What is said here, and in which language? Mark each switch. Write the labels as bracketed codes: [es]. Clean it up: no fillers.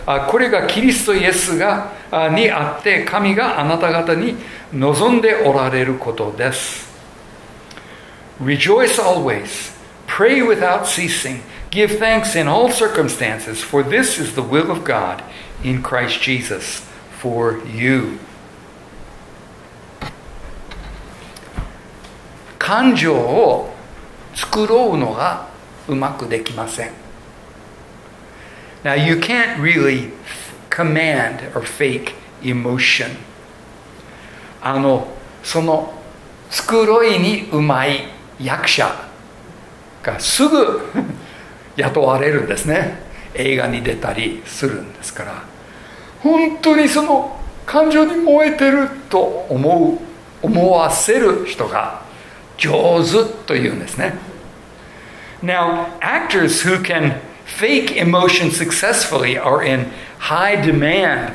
[ja] これがキリストイエスがにあって神があなた方に望んでおられることです。 [en] Rejoice always, pray without ceasing, give thanks in all circumstances, for this is the will of God in Christ Jesus for you. [ja] 感情を作ろうのがうまくできません。 [en] Now you can't really command or fake emotion. [ja] その作いにうまい役者がすぐ雇われるんですね。映画に出たりするんですから、本当にその感情に燃えてると思わせる人が上手というんですね。 [en] Now actors who canFake emotion successfully are in high demand.